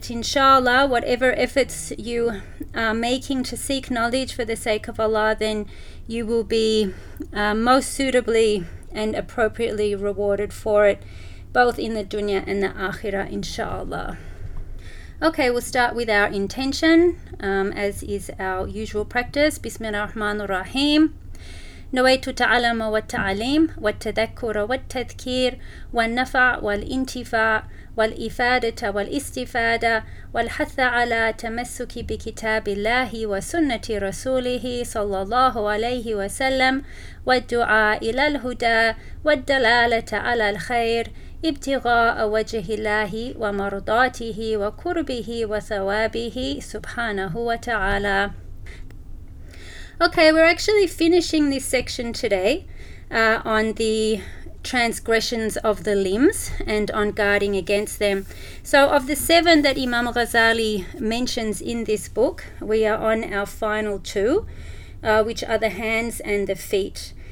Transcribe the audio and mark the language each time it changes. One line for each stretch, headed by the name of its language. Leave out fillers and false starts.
English: Inshallah, whatever efforts you are making to seek knowledge for the sake of Allah, then you will be most suitably and appropriately rewarded for it, both in the dunya and the akhirah, inshallah. Okay, we'll start with our intention, as is our usual practice.
Arabic: Bismillah ar-Rahman ar-Rahim. نويت تعلم والتعليم والتذكر والتذكير والنفع والانتفاع والإفادة والاستفادة والحث على تمسك بكتاب الله وسنة رسوله صلى الله عليه وسلم والدعاء إلى الهدى والدلالة على الخير ابتغاء وجه الله ومرضاته وقربه وثوابه سبحانه وتعالى.
English: Okay, we're actually finishing this section today on the transgressions of the limbs and on guarding against them. So of the seven that Imam Ghazali mentions in this book, we are on our final two, which are the hands and the feet.